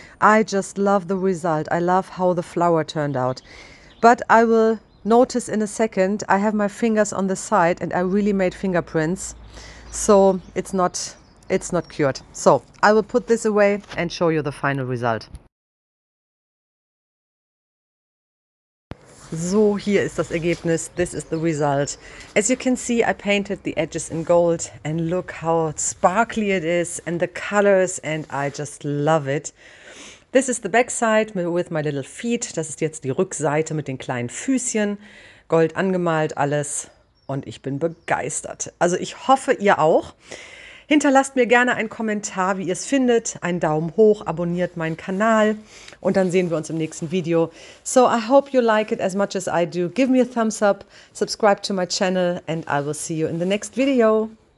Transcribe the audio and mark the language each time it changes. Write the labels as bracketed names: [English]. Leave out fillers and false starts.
[English] I just love the result. I love how the flower turned out. But I will notice in a second, I have my fingers on the side and I really made fingerprints. So it's not cured. So I will put this away and show you the final result. So, [German] hier ist das Ergebnis. [English] This is the result. As you can see, I painted the edges in gold and look how sparkly it is and the colors and I just love it. This is the backside with my little feet. [German] Das ist jetzt die Rückseite mit den kleinen Füßchen. Gold angemalt alles und ich bin begeistert. Also ich hoffe, ihr auch. Hinterlasst mir gerne einen Kommentar, wie ihr es findet. Einen Daumen hoch, abonniert meinen Kanal und dann sehen wir uns im nächsten Video. [English] So I hope you like it as much as I do. Give me a thumbs up, subscribe to my channel and I will see you in the next video.